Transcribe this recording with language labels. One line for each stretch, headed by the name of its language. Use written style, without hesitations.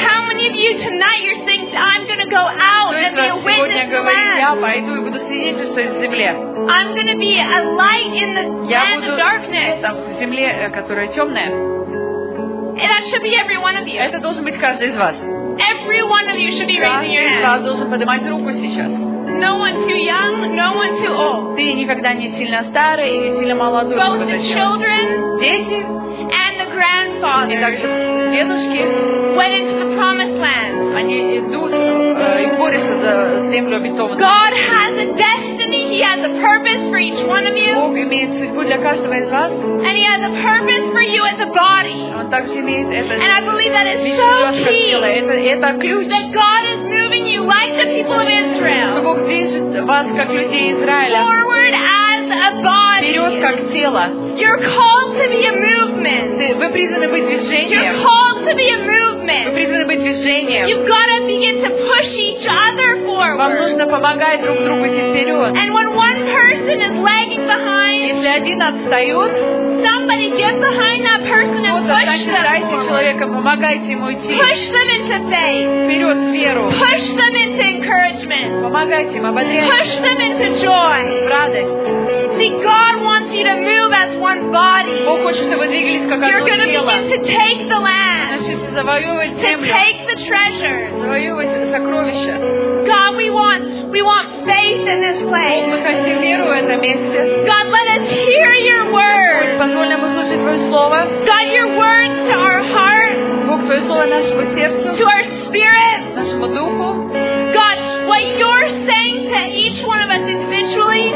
English: How many of you tonight you're saying, I'm going to go out and be a witness?
Russian: Кто из вас сегодня говорит, я пойду и буду свидетельствовать в земле?
English: I'm going to be a light in the land of darkness.
Russian: Я буду светом в земле, которая темная.
English: And that should be every one of you.
Russian: Это должен быть каждый из вас.
English: Every one of you should be raising your hand.
Russian: Каждый из вас должен поднимать руку сейчас.
English: No one too young, no one too old.
Russian: Ты никогда не сильно старый и не сильно молодой.
English: Both the children,
Russian: дети,
English: and the grandfather.
Russian: И также дедушки.
English: Went into the promised land.
Russian: Они идут и борются за землю обетованную.
English: God has a destiny. He has a purpose for each one of you.
Russian: Бог имеет судьбу для каждого из вас.
English: And He has a purpose for you as a body.
Russian: Он также имеет это.
English: And I believe that is so key.
Russian: Это ключ.
English: That God is moving you like the people of Israel.
Russian: Что Бог движет вас как людей Израиля.
English: Forward as a body.
Russian: Вперед как тело.
English: You're called to be a movement.
Russian: Вы призваны быть движением.
English: You're called to be a movement.
Russian: Вы призваны быть движением.
English: You've got to begin to push each other forward.
Russian: Вам нужно помогать друг другу идти вперед.
English: And when one person is lagging behind,
Russian: если один отстает,
English: somebody get behind that person and push them.
Russian: Кто-то отстает от человека, помогайте ему идти.
English: Push them into faith.
Russian: Вперед в веру.
English: Push them into encouragement.
Russian: Помогайте им, ободряйте.
English: Push them into joy.
Russian: В радость.
English: See, God wants you to move as one body.
Russian: Бог хочет, чтобы вы двигались как одно тело.
English: You're going to begin to take the land.
Russian: Начните завоевывать землю.
English: To take the treasure.
Russian: Завоевывать сокровища.
English: God, we want faith in this place. God, let us hear your word.
Russian: Позволь нам услышать твое слово.
English: God, your word to our heart.
Russian: Бог, твое слово нашему сердцу.
English: To our spirit.
Russian: Нашему духу.
English: God, what you're saying to each one of us individually.